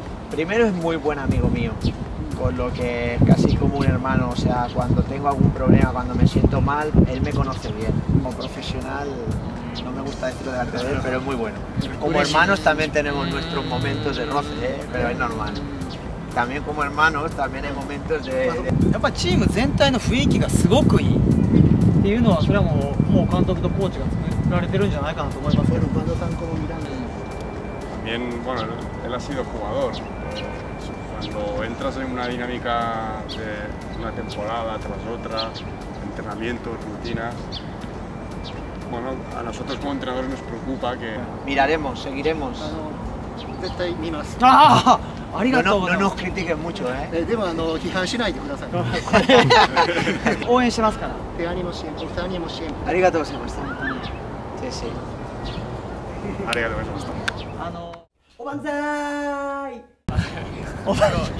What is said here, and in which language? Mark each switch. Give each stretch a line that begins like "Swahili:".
Spanish: Primero es muy buen amigo mío, con lo que casi como un hermano. O sea, cuando tengo algún problema, cuando me siento mal, él me conoce bien. Como profesional, no me gusta decirlo delante de él, pero es muy bueno. Como hermanos también tenemos nuestros momentos de roce, ¿eh? Pero es normal. También como hermanos, también hay momentos de...
Japanese: やっぱチーム全体の雰囲気がすごくいいっていうのは、それはもう監督とコーチが作られてるんじゃないかなと思いますけど。
Spanish: Cuando están como mirando. También, bueno, él ha sido jugador. Cuando entras en una dinámica de una temporada tras otra, entrenamientos, rutinas, bueno, a nosotros como entrenadores nos preocupa que... Miraremos, seguiremos. Te estoy mirando. ¡Ah!
Japanese: ありがとうございます。
Spanish: No, no, no nos critiquen mucho, eh?
Japanese: でも批判しないでください。応援してますから。お二人もシェーン。ありがとうございました。ありがとうございました。おばんざーい。